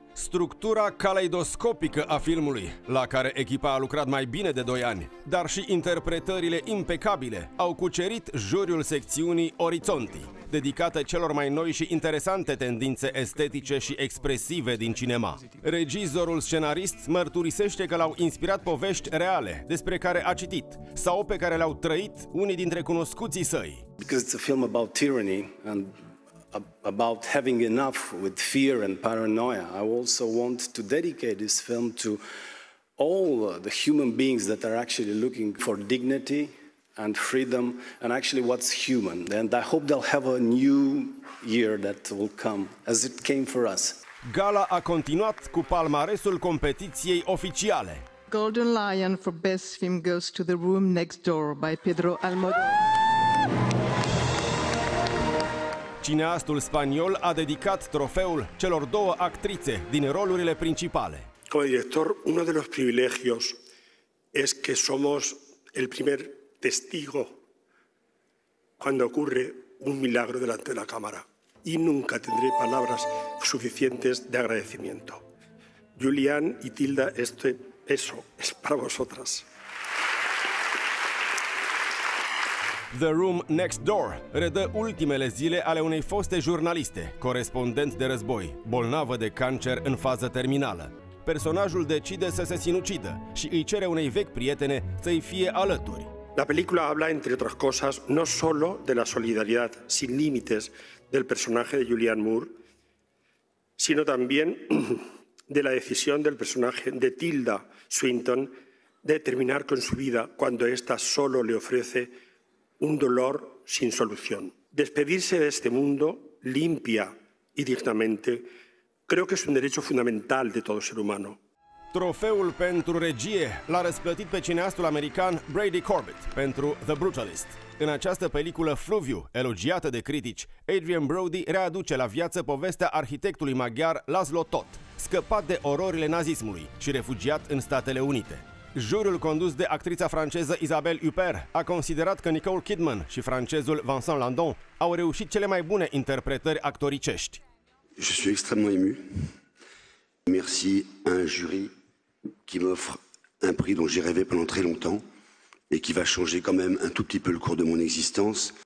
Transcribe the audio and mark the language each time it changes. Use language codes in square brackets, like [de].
[ro] Structura caleidoscopică a filmului, la care echipa a lucrat mai bine de 2 ani, dar și interpretările impecabile au cucerit juriul secțiunii Orizonti, dedicată celor mai noi și interesante tendințe estetice și expresive din cinema. Regizorul scenarist mărturisește că l-au inspirat povești reale despre care a citit sau pe care le-au trăit unii dintre cunoscuții săi. [en] Because it's a film about tyranny and about having enough with fear and paranoia. I also want to dedicate this film to all the human beings that are actually looking for dignity and freedom and actually what's human. And I hope they'll have a new year that will come as it came for us. [ro] Gala a continuat cu palmaresul competiției oficiale. [en] Golden Lion for Best Film goes to The Room Next Door by Pedro Almodóvar. [ro] Cineastul spaniol a dedicat trofeul celor două actrițe din rolurile principale. [es] Como director, uno de los privilegios es que somos el primer testigo cuando ocurre un milagro delante de la cámara. Y nunca tendré palabras suficientes de agradecimiento. Julián y Tilda, eso es para vosotras. [ro] The Room Next Door redă ultimele zile ale unei foste jurnaliste, corespondent de război, bolnavă de cancer în fază terminală. Personajul decide să se sinucidă și îi cere unei vechi prietene să-i fie alături. [es] La película habla, entre otras cosas, no solo de la solidaridad sin límites del personaje de Julianne Moore, sino también de la decisión del personaje de Tilda Swinton de terminar con su vida cuando esta solo le ofrece un dolor sin solución. Despedirse de este mundo limpia y dignamente creo que es un derecho fundamental de todo ser humano. [ro] Trofeul pentru regie l-a răsplătit pe cineastul american Brady Corbett pentru The Brutalist. În această peliculă Fluviu, elogiată de critici, Adrian Brody readuce la viață povestea arhitectului maghiar Laszlo Toth, scăpat de ororile nazismului și refugiat în Statele Unite. Juriul condus de actrița franceză Isabelle Huppert a considerat că Nicole Kidman și francezul Vincent Landon au reușit cele mai bune interpretări actoricești. [fr] Je suis extrêmement ému. Merci à un jury qui m'offre un prix dont j'ai rêvé pendant très longtemps et qui va changer quand même un tout petit peu le cours de mon existence.